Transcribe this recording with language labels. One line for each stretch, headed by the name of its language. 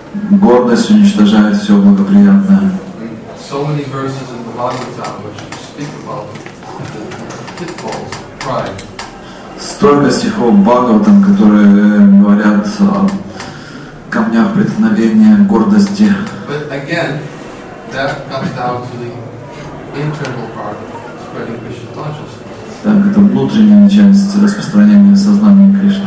Russian: Гордость уничтожает все благоприятное.
English: So many verses in the Bhagavatam which speak about the pitfalls, pride.
Russian: Столько стихов в Бхагаватам, которые говорят о камнях преткновения, гордости.
English: But again, that comes down to the internal part of spreading Krishna consciousness.
Russian: Так, это внутренняя часть распространения сознания Кришны.